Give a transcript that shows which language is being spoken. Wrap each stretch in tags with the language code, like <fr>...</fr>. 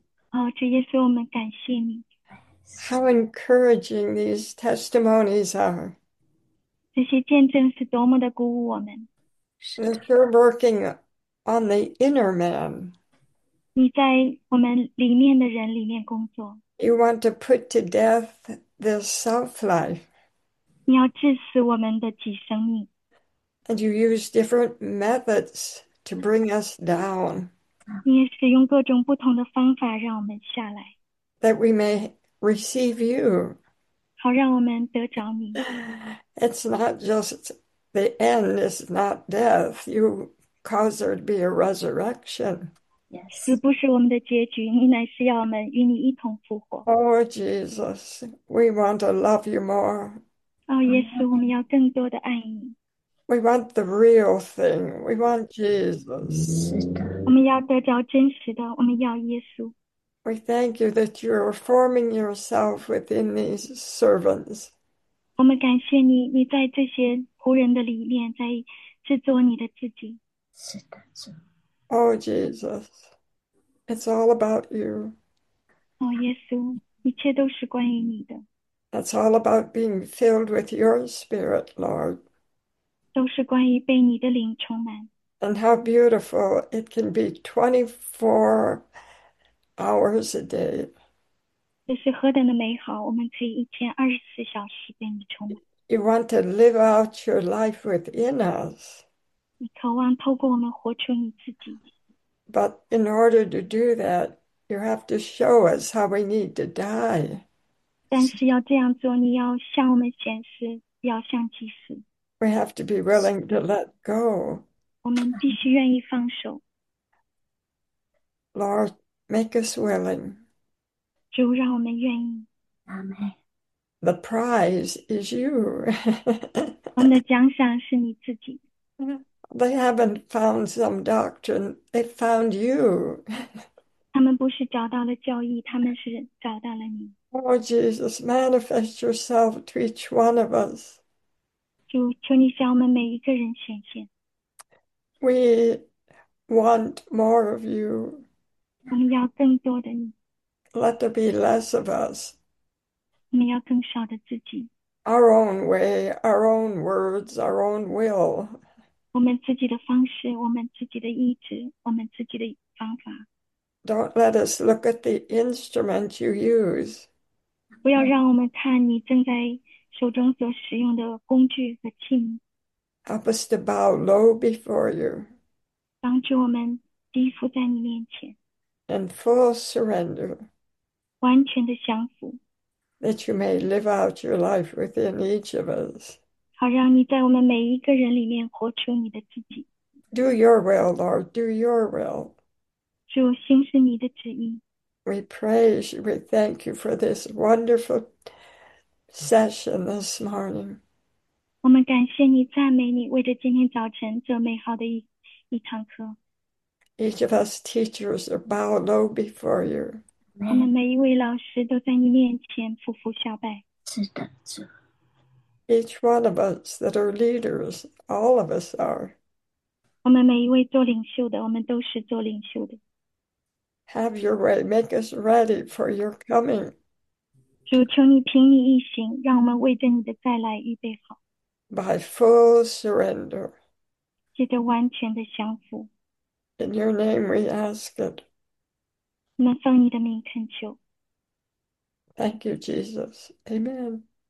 <zh>哦，这也是我们感谢你。</zh> <en>How encouraging these testimonies are.</en> <zh>这些见证是多么的鼓舞我们。是</zh> <en>That</en> <zh>的。</zh> <en>you're working on the inner man.</en> <zh>你在我们里面的人里面工作。</zh> <en>You want to put to death the self-life.</en> <zh>你要致死我们的己生命。</zh> <en>And you use different methods to bring us down,</en> <zh>你也使用各种不同的方法让我们下来，</zh> <en>that we may receive you.</en> <zh>好让我们得着你。</zh> <en>It's not just the end, it's not death. You cause there to be a resurrection.</en> <zh>Yes. 死不是我们的结局，你乃是要我们与你一同复活。</zh> <en>Oh, Jesus, we want to love you more.</en> <zh>Oh, 也使我们要更多的爱你。</zh> <en>We want the real thing. We want Jesus.</en> <zh>是的。我们要得着真实的，我们要耶稣。</zh> <en>We thank you that you are forming yourself within these servants.</en> <zh>我们感谢你，你在这些仆人的里面，在制作你的自己。是的，是。</zh> <en>Oh, Jesus, it's all about you.</en> <zh>Oh, 耶稣，一切都是关于你的，</zh> <en>It's all about being filled with your spirit, Lord.</en> <zh>都是关于被你的灵充满。</zh> <en>And how beautiful it can be 24 hours a day.</en> <zh>这是何等的美好！我们可以1天24小时被你充满。</zh> <en>You want to live out your life within us.</en> <zh>你渴望透过我们活出你自己。</zh> <en>But in order to do that, you have to show us how we need to die.</en> <zh>但是要这样做，你要向我们显示，要向祭司。</zh> <en>We have to be willing to let go.</en> <zh>我们必须愿意放手。</zh> <en>Lord, make us willing.</en> <zh>主，让我们愿意。阿门。</zh> <en>The prize is you.</en> <zh>我们的奖赏是你自己。</zh> <en>They haven't found some doctrine, they found you.</en> <zh>他们不是找到了教义，他们是找到了你。</zh> <en>Oh, Jesus, manifest yourself to each one of us.</en> <zh>主，求你向我们每一个人显现。</zh> <en>We want more of you.</en> <zh>我们要更多的你。</zh> <en>Let there be less of us.</en> <zh>我们要更少的自己，</zh> <en>Our own way, our own words, our own will.</en> <zh>我们自己的方式，我们自己的意志，我们自己的方法。</zh> <en>Don't let us look at the instrument you use.</en> <zh>不要让我们看你正在手中所使用的工具和器皿，</zh> <en>Help us to bow low before you</en> <zh>帮助我们低伏在你面前，</zh> <en>in full surrender</en> <zh>完全的降服。</zh> <en>that you may live out your life within each of us.</en> <zh>好，让你在我们每一个人里面活出你的自己。</zh> <en>Do your will, Lord, do your will.</en> <zh>主，行使你的旨意。</zh> <en>We praise you, we thank you for this wonderful session this morning.</en> <zh>我们感谢你，赞美你，为着今天早晨这美好的一堂课。</zh> <en>Each of us teachers are bow low before you.</en> <zh>我们每一位老师都在你面前匍匐下拜。是的，是。</zh> <en>Each one of us that are leaders, all of us are.</en> <zh>我们每一位做领袖的，我们都是做领袖的。</zh> <en>Have your way, make us ready for your coming.</en> <zh>主，求你凭你意行，让我们为着你的再来预备好，</zh> <en>By full surrender.</en> <zh>记得完全的降服。</zh> <en>In your name we ask it.</en> <zh>我们奉你的名恳求。</zh> <en>Thank you, Jesus. Amen.</en>